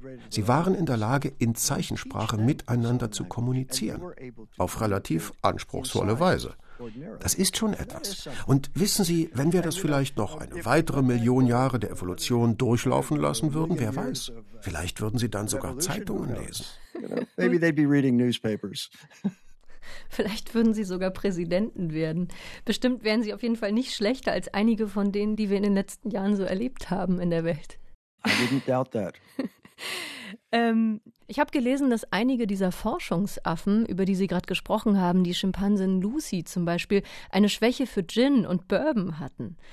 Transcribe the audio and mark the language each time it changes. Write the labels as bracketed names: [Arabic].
[German] Sie waren in der Lage, in Zeichensprache miteinander zu kommunizieren, auf relativ anspruchsvolle Weise. Das ist schon etwas. Und wissen Sie, wenn wir das vielleicht noch eine weitere Million Jahre der Evolution durchlaufen lassen würden, wer weiß, vielleicht würden Sie dann sogar Zeitungen lesen. [English] Maybe they'd be reading newspapers. [German] Vielleicht würden sie sogar Präsidenten werden. Bestimmt wären sie auf jeden Fall nicht schlechter als einige von denen, die wir in den letzten Jahren so erlebt haben in der Welt. [English] I didn't doubt that. [German] Ich habe gelesen, dass einige dieser Forschungsaffen, über die Sie gerade gesprochen haben, die Schimpansin Lucy zum Beispiel, eine Schwäche für Gin und Bourbon hatten.